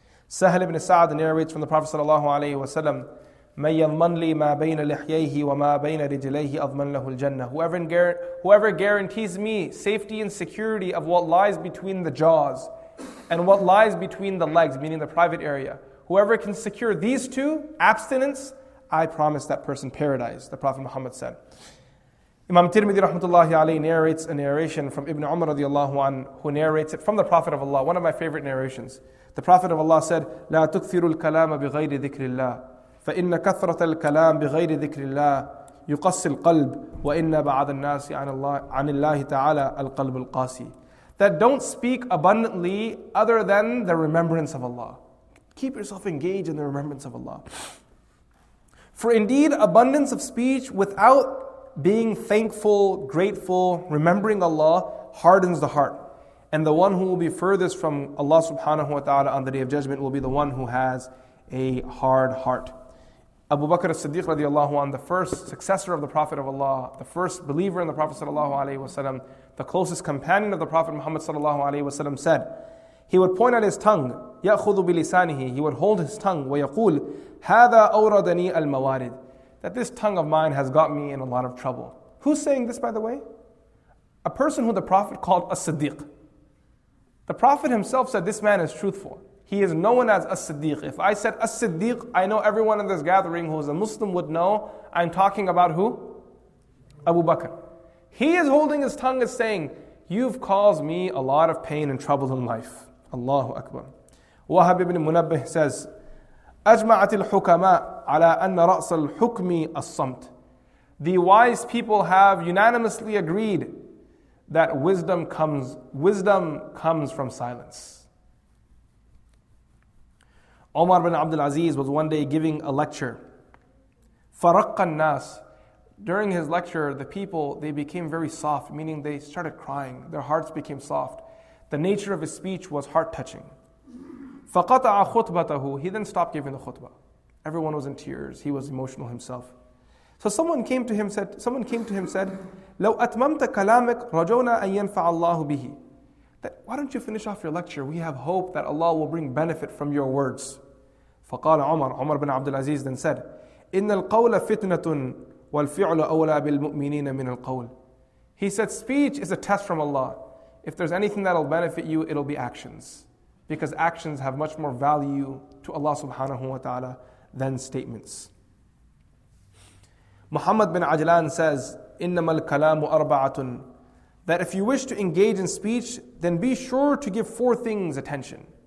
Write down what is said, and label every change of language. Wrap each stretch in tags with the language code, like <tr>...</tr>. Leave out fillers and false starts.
<en>Sahal ibn Sa'd narrates from the Prophet sallallahu alayhi wa sallam,</en> <ar>مَنْ يَضْمَنْ لِي مَا بَيْنَ لِحْيَيْهِ وَمَا بَيْنَ رِجِلَيْهِ أَضْمَنْ لَهُ الْجَنَّةِ</ar> <en>Whoever guarantees me safety and security of what lies between the jaws and what lies between the legs, meaning the private area, whoever can secure these two, abstinence, I promise that person paradise, the Prophet Muhammad said. Imam Tirmidhi rahmatullahi alayhi narrates a narration from Ibn Umar radiallahu anhu, who narrates it from the Prophet of Allah, one of my favorite narrations. The Prophet of Allah said,</en> <ar>لَا تُكْثِرُ الْكَلَامَ بِغَيْرِ ذِكْرِ اللَّهِ فَإِنَّ كَثْرَةَ الْكَلَامِ بِغَيْرِ ذِكْرِ اللَّهِ يُقَصِّ الْقَلْبِ وَإِنَّ بَعَضَ النَّاسِ عَنِ اللَّهِ تَعَالَى الْقَلْبُ الْقَاسِي</ar> <en>That don't speak abundantly other than the remembrance of Allah. Keep yourself engaged in the remembrance of Allah. For indeed, abundance of speech without being thankful, grateful, remembering Allah, hardens the heart. And the one who will be furthest from Allah subhanahu wa ta'ala on the Day of Judgment will be the one who has a hard heart. Abu Bakr as-Siddiq radiallahu anhu, the first successor of the Prophet of Allah, the first believer in the Prophet sallallahu alayhi wa sallam, the closest companion of the Prophet Muhammad sallallahu alayhi wa sallam said, he would point at his tongue,</en> <ar>يَأْخُذُ بِلِسَانِهِ</ar> <en>He would hold his tongue,</en> <ar>وَيَقُولْ هَذَا أَوْرَدَنِي الْمَوَارِدِ</ar> <en>That this tongue of mine has got me in a lot of trouble. Who's saying this, by the way? A person who the Prophet called as-Siddiq. The Prophet himself said, this man is truthful. He is known as As-Siddiq. If I said As-Siddiq, I know everyone in this gathering who is a Muslim would know I'm talking about who? Abu Bakr. He is holding his tongue and saying, you've caused me a lot of pain and trouble in life. Allahu Akbar. Wahab ibn Munabbih says,</en> <ar>أجمعت الحكماء على أن رأس الحكم الصمت.</ar> <en>The wise people have unanimously agreed that wisdom comes from silence. Omar bin Abdul Aziz was one day giving a lecture.</en> <ar>فَرَقَّ النَّاسِ</ar> <en>During his lecture, the people, they became very soft, meaning they started crying. Their hearts became soft. The nature of his speech was heart-touching.</en> <ar>فَقَطَعَ خُطْبَتَهُ</ar> <en>He then stopped giving the khutbah. Everyone was in tears. He was emotional himself. So someone came to him and said,</en> <ar>لَوْ أَتْمَمْتَ كَلَامِكَ رَجَوْنَا أَن يَنْفَعَ اللَّهُ بِهِ</ar> <en>That, why don't you finish off your lecture? We have hope that Allah will bring benefit from your words.</en> <ar>فقال عمر عمر بن عبد العزيز</ar> <en>then said,</en> <ar>إن القول فتنة والفعل أولى بالمؤمنين من القول.</ar> <en>He said, speech is a test from Allah. If there's anything that'll benefit you, it'll be actions. Because actions have much more value to Allah subhanahu wa ta'ala than statements. Muhammad bin Ajlan says,</en> <ar>إنما الكلام أربعة</ar> <en>That if you wish to engage in speech, then be sure to give four things attention.</en>